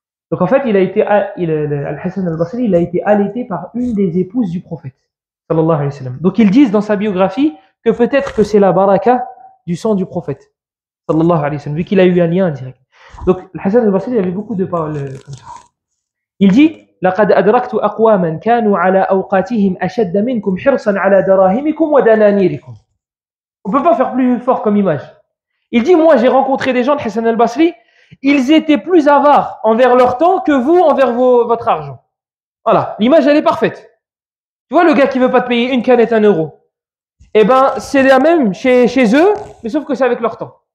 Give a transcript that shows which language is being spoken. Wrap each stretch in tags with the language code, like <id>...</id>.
<fr>Donc en fait, Al-Hassan al-Basri, il a été allaité par une des épouses du prophète. Sallallahu alayhi wa sallam. Donc ils disent dans sa biographie que peut-être que c'est la baraka du sang du prophète. Sallallahu alayhi wa sallam. Vu qu'il a eu un lien direct. Donc Al-Hassan al-Basri, il avait beaucoup de paroles comme ça.</fr> <ar>Il dit لقد أدركت أقواما كانوا على أوقاتهم أشد منكم حرصا على دراهمكم ودنانيركم.</ar> <fr>On peut pas faire plus fort comme image. Il dit moi j'ai rencontré des gens de Hassan al-Basri, ils étaient plus avares envers leur temps que vous envers votre argent. Voilà, l'image elle est parfaite. Tu vois le gars qui veut pas te payer une canette un euro. Eh ben c'est la même chez eux, mais sauf que c'est avec leur temps.</fr>